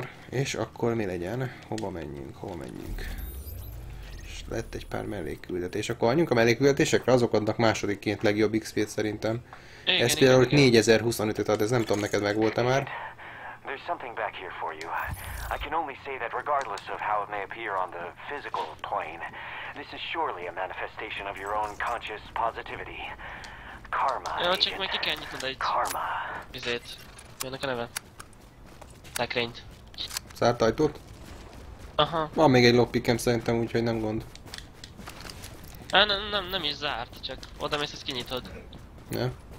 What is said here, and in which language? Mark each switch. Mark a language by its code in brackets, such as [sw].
[hu] És akkor mi legyen? Hova menjünk? Lett egy pár mellékküldetés. Akkor adjunk a mellékküldetésekre, azok adnak másodikként legjobb XP-t szerintem. Igen, ez például 4025-öt ad, ez nem tudom, neked megvolt-e már. [en] There's something back here for you. I can only say that regardless of how it may appear on the physical plane, this is surely a manifestation of your own conscious positivity. Karma. [hu] Jó, csak majd ki kell nyitnod egy... Karma. Bizét. Jönnek a neve. Lekrényt. Szárt ajtót? Aha. Van még egy lockpickem szerintem, úgyhogy nem gond. Nem is zárt, csak oda mész, ezt kinyitod. Ne.